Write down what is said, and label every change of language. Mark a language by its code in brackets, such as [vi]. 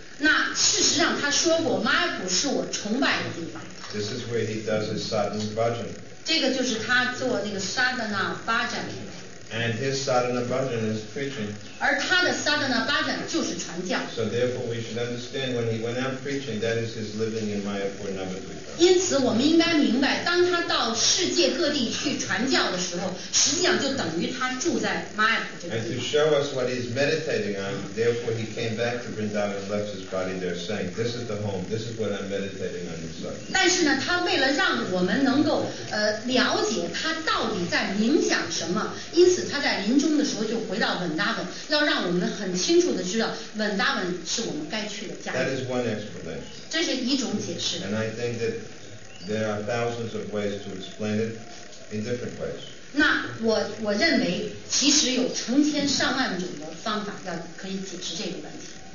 [zh] 那事实上他说过，马尔普是我崇拜的地方。 [en] This is where he does his sadhana bhajan. [zh] 这个就是他做那个 sadhana bhajan. [en] And his sadhana bhajan is preaching. [zh] 而他的 sadhana bhajan 就是传教。 [en] So therefore we should understand when he went out preaching, that is his living in Mayapur Navadvipa. [zh] 因此我们应该明白，当他到世界各地去传教的时候，实际上就等于他住在 Mayapur 这个地方。 [en] And to show us what he's meditating on, therefore he came back to Vrindavan and left his body there saying, this is the home, this is what I'm meditating on inside. [zh] 但是呢，他为了让我们能够了解他到底在冥想什么，因此他在临终的时候就回到 Vrindavan，要让我们很清楚的知道 Vrindavan 是我们该去的家。 [en] That is one explanation. [zh] 这是一种解释。 [en] And I think that there are thousands of ways to explain it in different ways. [zh] 那我认为其实有成千上万种的方法要可以解释这个问题。